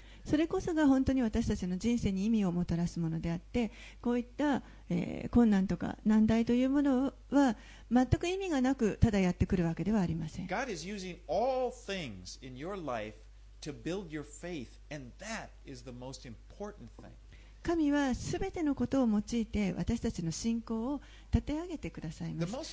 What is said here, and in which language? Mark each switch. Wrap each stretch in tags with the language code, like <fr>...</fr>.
<ja>それこそが本当に私たちの人生に意味をもたらすものであって、こういった、困難とか難題というものは全く意味がなくただやってくるわけではありません。</ja> <en>God is using all things in your life to build your faith, and that is the most important thing.</en> <ja>神はすべてのことを用いて私たちの信仰を立て上げてくださいます。</ja>